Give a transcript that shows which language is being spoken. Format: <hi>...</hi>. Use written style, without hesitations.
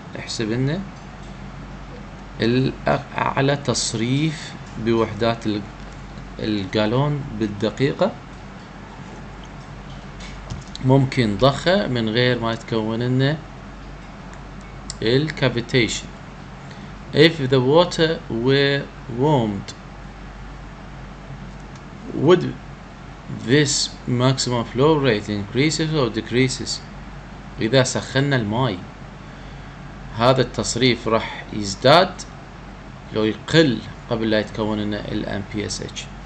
<ar>احسب لنا الأعلى تصريف بوحدات الجالون بالدقيقة ممكن ضخه من غير ما يتكون لنا الكافيتيشن.</ar> <en>If the water were warmed would this maximum flow rate increases or decreases،</en> <ar>إذا سخنا الماء هذا التصريف راح يزداد لو يقل قبل لا يتكون لنا الـ MPSH.</ar>